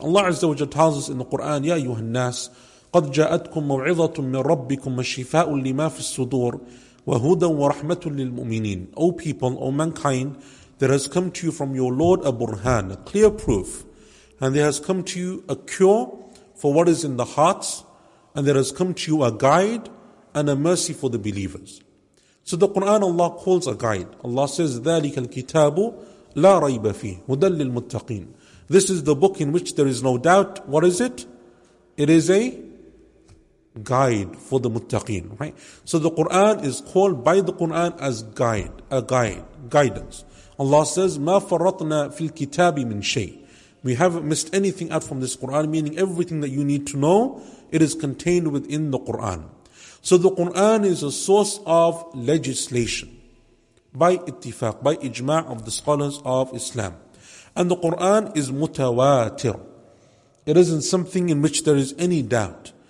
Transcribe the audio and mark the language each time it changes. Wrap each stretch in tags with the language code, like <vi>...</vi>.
<en>Allah Azza wa Jalla tells us in the Quran,</en> <ar>Ya ayyuha an-nas, قَدْ جَاءَتْكُمْ مَوْعِظَةٌ مِّن رَبِّكُمْ وَشِفَاءٌ لِمَا فِي الصُّدُورِ وَهُدًى وَرَحْمَةٌ لِلْمُؤْمِنِينَ.</ar> <en>O people, O mankind, there has come to you from your Lord a burhan, a clear proof, and there has come to you a cure for what is in the hearts, and there has come to you a guide and a mercy for the believers. So the Quran, Allah calls a guide.</en> <ar>Allah says, ذَلِكَ الْكِتَابُ لَا رَيْبَ فِيهِ هُدًى لِلْمُتَّقِينَ.</ar> <en>This is the book in which there is no doubt. What is it? It is a guide for the muttaqeen. Right? So the Quran is called by the Quran as guide, a guide, guidance.</en> <ar>Allah says, مَا فَرَّطْنَا فِي الْكِتَابِ مِنْ شَيْءٍ.</ar> <en>We haven't missed anything out from this Quran, meaning everything that you need to know, it is contained within the Quran. So the Quran is a source of legislation by ittifaq, by ijma' of the scholars of Islam. And the Quran is mutawatir. It isn't something in which there is any doubt.</en>